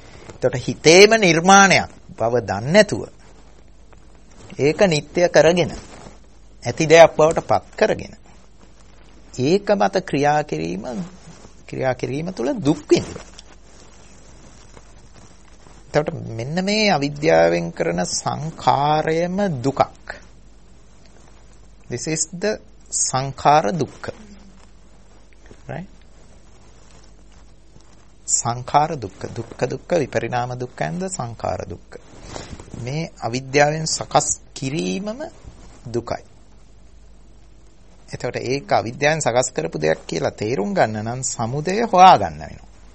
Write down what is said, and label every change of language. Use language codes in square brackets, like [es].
[si] එතකොට හිතේම නිර්මාණයක් බව දන්නේ නැතුව ඒක නිත්‍ය කරගෙන ඇති දෙයක් බවට පත් කරගෙන ඒක මත ක්‍රියා කිරීම තුළ දුක් වෙනවා. එතකොට මෙන්න මේ අවිද්‍යාවෙන් කරන සංඛාරයම දුකක්. [en] This is the සංඛාර දුක්ඛ. Right? [si] සංඛාර දුක්ඛ. දුක්ඛ දුක්ඛ විපරිණාම දුක්ඛයන්ද සංඛාර දුක්ඛ. මේ අවිද්‍යාවෙන් සකස් කිරීමම දුකයි. එතකොට ඒක අවිද්‍යාවෙන් සකස් කරපු දෙයක් කියලා තේරුම් ගන්න නම් සමුදය හොයා ගන්න වෙනවා.